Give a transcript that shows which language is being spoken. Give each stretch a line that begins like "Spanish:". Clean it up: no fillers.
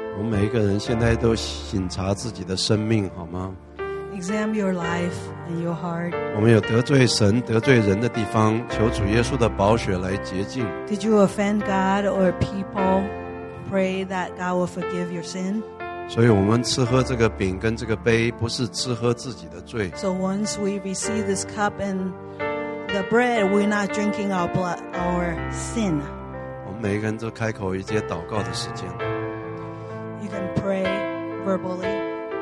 Chinese: 每一个人现在都省察自己的生命，好吗？
English: Examine your life and your heart.
Chinese: 我们有得罪神、得罪人的地方，求主耶稣的宝血来洁净。
English: Did you offend God or people? Pray that God will forgive your sin.
Chinese: 所以我们吃喝这个饼跟这个杯，不是吃喝自己的罪。
English: So once we receive this cup and the bread, we're not drinking our blood, our sin.
Chinese: 我们每一个人都开口一些祷告的时间。
English: You can pray verbally.